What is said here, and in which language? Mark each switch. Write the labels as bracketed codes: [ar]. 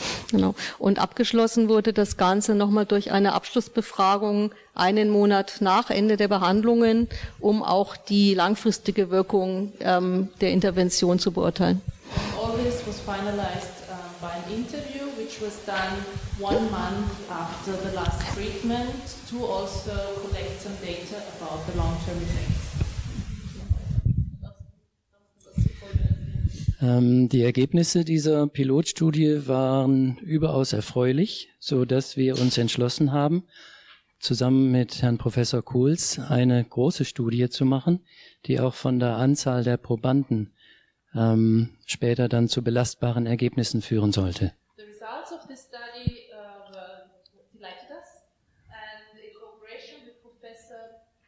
[de] Genau. Und abgeschlossen wurde das Ganze nochmal durch eine Abschlussbefragung einen Monat nach Ende der Behandlungen, um auch die langfristige Wirkung der Intervention zu beurteilen. [en] And all this was finalized by an interview, which was done 1 month after the last treatment, to also collect some data about the long-term effects. [de] Die Ergebnisse dieser Pilotstudie waren überaus erfreulich, so dass wir uns entschlossen haben, zusammen mit Herrn Professor Kohls eine große Studie zu machen, die auch von der Anzahl der Probanden später dann zu belastbaren Ergebnissen führen sollte. [en] The results of this study delighted us, and in cooperation with Professor